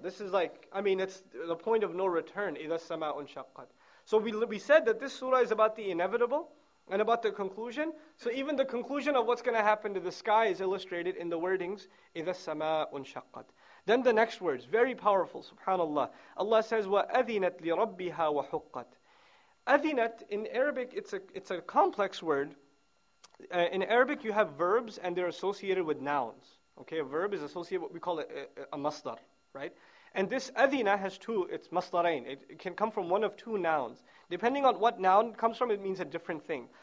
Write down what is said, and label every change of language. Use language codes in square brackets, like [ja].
[en] This is like, I mean, it's the point of no return. [ar] إِذَا السَّمَاءُ انشَقَّتْ. [en] So we said that this surah is about the inevitable and about the conclusion. So even the conclusion of what's going to happen to the sky is illustrated in the wordings, [ar] إِذَا السَّمَاءُ انشَقَّتْ. [en] Then the next words, very powerful, subhanAllah. Allah says, [ar] وَأَذِنَتْ لِرَبِّهَا وَحُقَّتْ. [en] أَذِنَتْ, in Arabic, it's a complex word. In Arabic, you have verbs and they're associated with nouns. Okay, a verb is associated with what we call a masdar, right? And this adhina has two, it's masdarain. It can come from one of two nouns. Depending on what noun it comes from, it means a different thing.